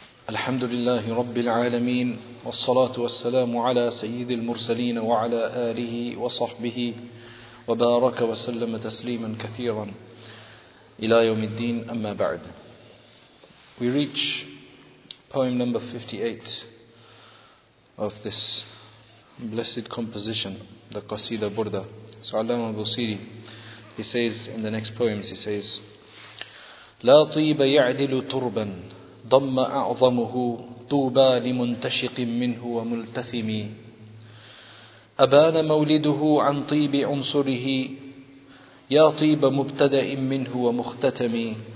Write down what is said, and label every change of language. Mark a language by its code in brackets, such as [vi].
[ar] الحمد لله رب العالمين، والصلاة والسلام على سيد المرسلين وعلى آله وصحبه وبارك وسلم تسليما كثيرا إلى يوم الدين، أما بعد. [en] We reach poem number 58 of this blessed composition, the Qasida Burda. So Allama al-Busiri, he says in the next poems, he says, [ar] لا طيب يعدل تربا ضم أعظمه طوبى لمنتشق منه وملتثم أبان مولده عن طيب عنصره يا طيب مبتدأ منه ومختتم